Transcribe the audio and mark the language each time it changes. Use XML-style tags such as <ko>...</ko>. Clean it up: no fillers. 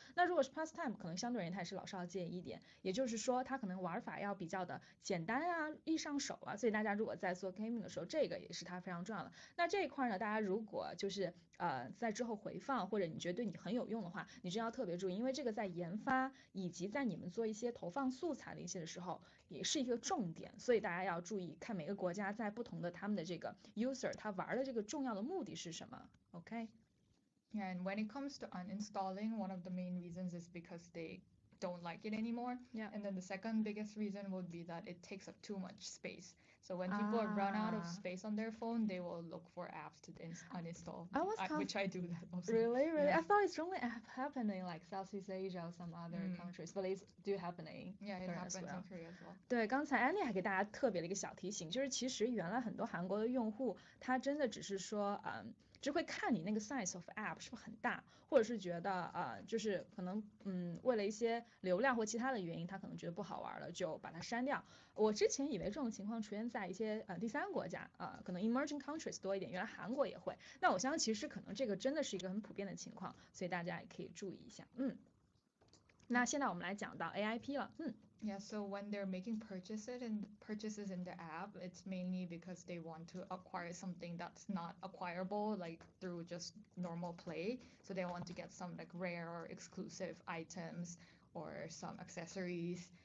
<zh>那如果是 pastime， 可能相对而言它也是老少皆宜一点，也就是说它可能玩法要比较的简单啊，易上手啊。所以大家如果在做 gaming 的时候，这个也是它非常重要的。那这一块呢，大家如果就是在之后回放或者你觉得对你很有用的话，你真要特别注意，因为这个。在研发以及在你们做一些投放素材的一些的时候也是一个重点，所以大家要注意看每个国家在不同的他们的这个 user 他玩的这个重要的目的是什么。</zh> <en>OK, and when it comes to uninstalling, one of the main reasons is because they don't like it anymore. Yeah, and then the second biggest reason would be that it takes up too much space. So when people run out of space on their phone, they will look for apps to uninstall, which I do that also. Really? Really? Yeah. I thought it's only happening like Southeast Asia or some other countries, but it's do happening. Yeah, it happens well. In Korea as well.</en> <zh>对，刚才 Annie 还给大家特别的一个小提醒，就是其实原来很多韩国的用户他真的只是说只会看你那个</zh> <en>size of app</en> <zh>是不是很大，或者是觉得就是可能为了一些流量或其他的原因，他可能觉得不好玩了就把它删掉。我之前以为这种情况出现在一些第三国家可能</zh> <en>emerging countries</en> <zh>多一点，原来韩国也会。那我相信其实可能这个真的是一个很普遍的情况，所以大家也可以注意一下。那现在我们来讲到 AIP 了。</zh> <en>Yeah, so when they're making purchases in the app, it's mainly because they want to acquire something that's not acquirable, like through just normal play. So they want to get some like rare or exclusive items or some accessories.</en>